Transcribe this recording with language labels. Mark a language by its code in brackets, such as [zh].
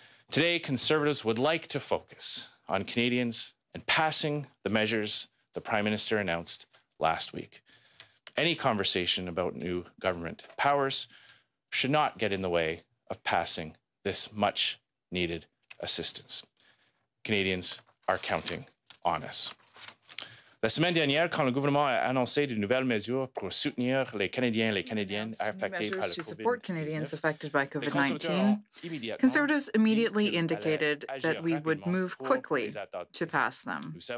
[en] Today, Conservatives would like to focus on Canadians and passing the measures the Prime Minister announced last week. Any conversation about new government powers should not get in the way of passing this much-needed assistance. Canadians are counting on us. [fr] La semaine dernière, quand le gouvernement a annoncé de nouvelles mesures pour soutenir les Canadiens et les Canadiennes affectés par le COVID-19, [en] Conservatives immediately indicated that we would move quickly to pass them.